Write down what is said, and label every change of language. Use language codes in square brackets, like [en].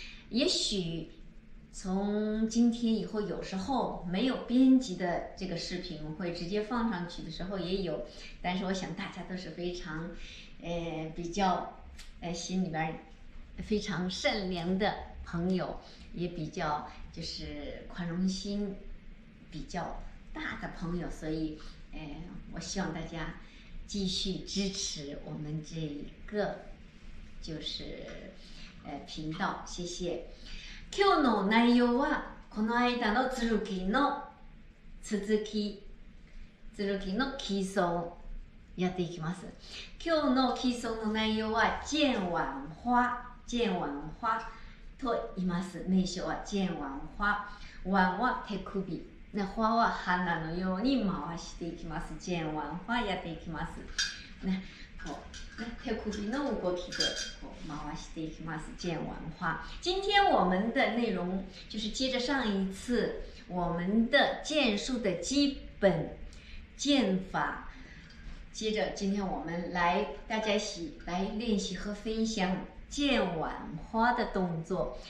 [zh] 也许从今天以后，有时候没有编辑的这个视频会直接放上去的时候也有，但是我想大家都是非常，比较，心里边非常善良的朋友，也比较就是宽容心比较大的朋友，所以，我希望大家继续支持我们这一个就是。頻道、谢谢。 [ja] 今日の内容はこの間の続きの続き、続きの基礎をやっていきます。今日の基礎の内容は見晚花、見晚花と言います。名称は見晚花、晚は手首、那花は花のように回していきます。見晚花やっていきます。ね、こう手首の動きでこう回していきます。見晚花。 [zh] 今天我们的内容就是接着上一次我们的剑术的基本剑法，接着今天我们来大家一起来练习和分享见晚花的动作。